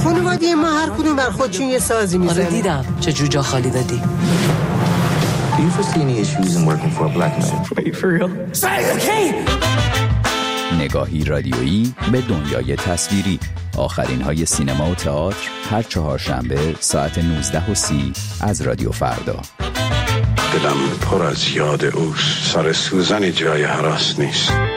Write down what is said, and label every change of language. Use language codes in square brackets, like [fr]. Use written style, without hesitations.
[fa] خانوادی ما هر کدوم بر خودشون یه سازی میزن. آره دیدم چه جوجه خالی دادی. [en] Do you foresee any issues in working for a black man? Wait, for real? Say the king! [fa] نگاهی رادیویی به دنیای تصویری، آخرین های سینما و تئاتر، هر چهارشنبه ساعت 19:30 از رادیو فردا. دلم پر از یاد اوست، سر سوزنی جای هراس نیست.